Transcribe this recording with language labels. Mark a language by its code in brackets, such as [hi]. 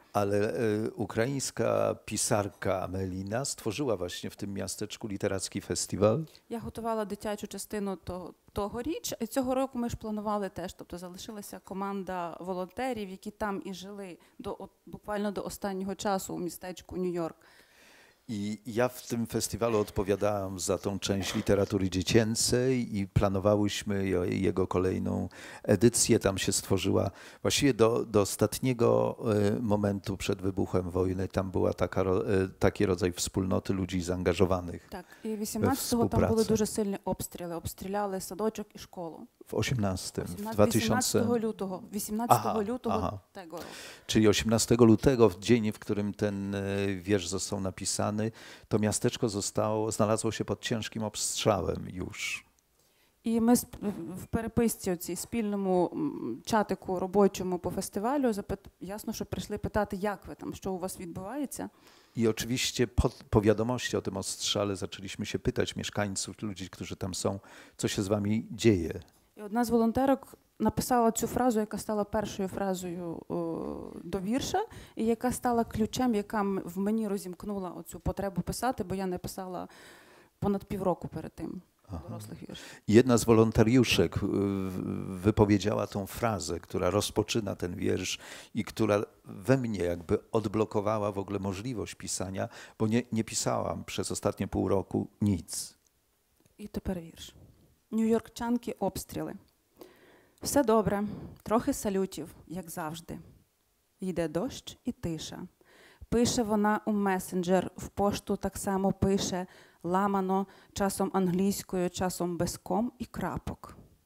[uk] Але українська писарка Амеліна створила власне в тим містечку літературний фестиваль. Я готувала дитячу частину тогоріч. Цього року ми ж планували теж, тобто залишилася команда волонтерів, які там і жили буквально до останнього часу у містечку Нью-Йорк. [pl] I ja w tym festiwalu odpowiadałam za tą część literatury dziecięcej i planowałyśmy jego kolejną edycję. Tam się stworzyła, właściwie do ostatniego momentu przed wybuchem wojny, tam była taki rodzaj wspólnoty ludzi zaangażowanych. Tak, i 18 tam były duże silne obstrzały, obstrzelały sadoczek i szkołę. W 18, w 2000... 18 lutego tego roku. Czyli 18 lutego, w dzień, w którym ten wiersz został napisany, to miasteczko znalazło się pod ciężkim obstrzałem już. [uk] І ми в переписці оці спільному чатику робочому по фестивалю ясно, що прийшли питати, як ви там, що у вас відбувається. І, очевидно, по відомості о тим обстрілі почалися ми питати мешканців, людей, які там є, що з вами діє. І одна з волонтерок написала цю фразу, яка стала першою фразою до вірша, і яка стала ключем, яка в мені розімкнула оцю потребу писати, бо я не писала понад півроку перед тим. [pl] Jedna z wolontariuszek wypowiedziała tą frazę, która rozpoczyna ten wiersz i która we mnie jakby odblokowała w ogóle możliwość pisania, bo nie pisałam przez ostatnie pół roku nic. I to pierwszy wiersz. [uk] Нью-Йоркчанки обстріли. Все добре, трохи салютів, як завжди. Йде дощ і тиша. Пише вона у месенджер, в пошту так само пише – ламано, часом англійською, часом без ком і крапок.